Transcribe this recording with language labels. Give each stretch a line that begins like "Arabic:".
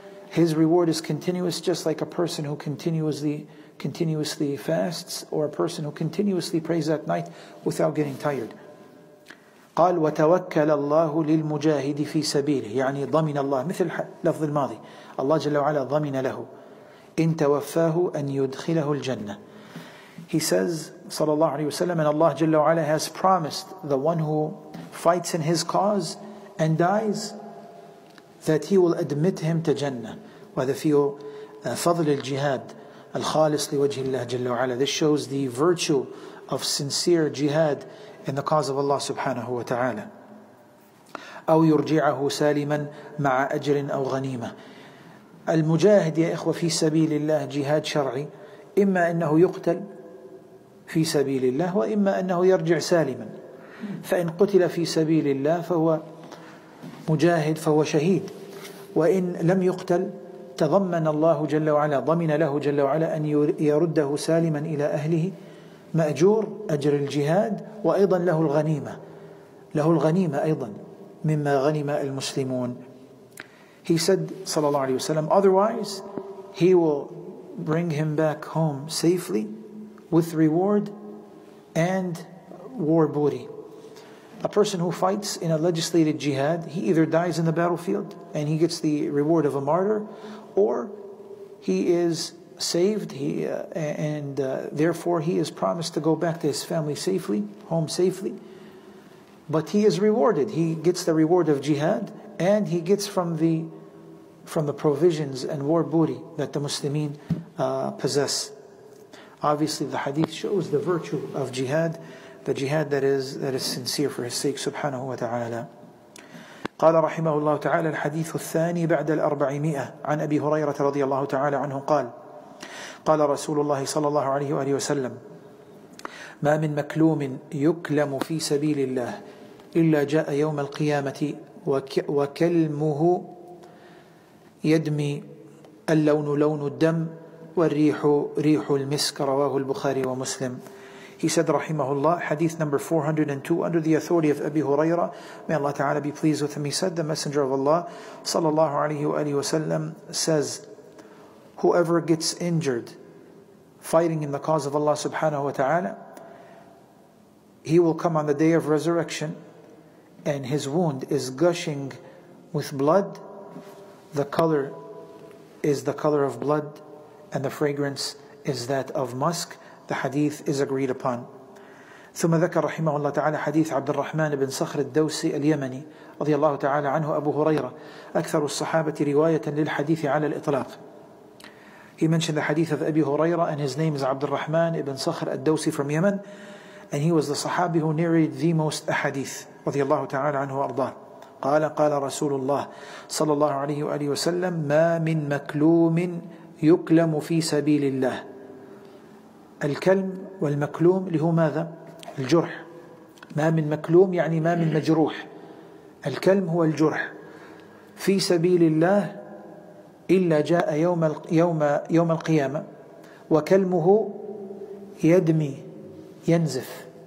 English: His reward is continuous, just like a person who continuously fasts or a person who continuously prays at night without getting tired.
Arabic: قال وتوكل الله للمجاهد في سبيله، يعني ضمن الله، مثل لفظ الماضي، الله جل وعلا ضمن له إن توفاه أن يدخله الجنة.
English: He says
Arabic: صلى الله عليه وسلم,
English: and Allah
Arabic: جل وعلا
English: has promised the one who fights in his cause and dies that he will admit him to Jannah.
Arabic: وهذا في فضل الجهاد الخالص لوجه الله جل وعلا.
English: This shows the virtue of sincere jihad in the cause of Allah
Arabic: subhanahu wa ta'ala. أو يرجعه سالما مع أجر أو غنيمة. المجاهد يا إخوة في سبيل الله جهاد شرعي، إما أنه يقتل في سبيل الله وإما أنه يرجع سالما. فإن قتل في سبيل الله فهو مجاهد، فهو شهيد. وإن لم يقتل تضمن الله جل وعلا، ضمن له جل وعلا أن يرده سالما إلى أهله، مأجور أجر الجهاد، وأيضا له الغنيمة، له الغنيمة أيضا مما غنم المسلمون.
English: He said
Arabic: صلى الله عليه وسلم,
English: otherwise he will bring him back home safely with reward and war booty. A person who fights in a legislated jihad, he either dies in the battlefield and he gets the reward of a martyr, or he is saved, therefore he is promised to go back to his family safely, home safely. But he is rewarded. He gets the reward of jihad and he gets from the provisions and war booty that the Muslimin possess. Obviously, the hadith shows the virtue of jihad, the jihad that is sincere for his sake,
Arabic: subhanahu wa ta'ala. قال رحمه الله تعالى الحديث الثاني بعد الأربعمائة عن أبي هريرة رضي الله تعالى عنه قال قال رسول الله صلى الله عليه وآله وسلم ما من مكلوم يكلم في سبيل الله إلا جاء يوم القيامة وكلمه يدمي، اللون لون الدم والريح ريح المسك. رواه البخاري ومسلم.
English: He said rahimahullah, hadith number 402, under the authority of Abi Huraira, may Allah Ta'ala be pleased with him, he said, the Messenger of Allah
Arabic: sallallahu alayhi wa alihi wasallam
English: says, whoever gets injured fighting in the cause of Allah
Arabic: subhanahu wa ta'ala,
English: he will come on the day of resurrection and his wound is gushing with blood. The color is the color of blood and the fragrance is that of musk. The hadith is agreed upon.
Arabic: ثم ذكر رحمه الله تعالى حديث عبد الرحمن بن صخر الدوسي اليمني رضي الله تعالى عنه أبو هريرة أكثر الصحابة رواية للحديث على الإطلاق.
English: He mentioned the hadith of Abi Huraira and his name is عبد الرحمن بن صخر الدوسي from Yemen, and he was the Sahabi who narrated the most hadith
Arabic: رضي الله تعالى عنه وأرضاه. قال قال رسول الله صلى الله عليه وآله وسلم ما من مكلوم يكلم في سبيل الله. الكلم والمكلوم اللي هو ماذا؟ الجرح. ما من مكلوم يعني ما من مجروح. الكلم هو الجرح. في سبيل الله إلا جاء يوم القيامة وكلمه يدمي ينزف.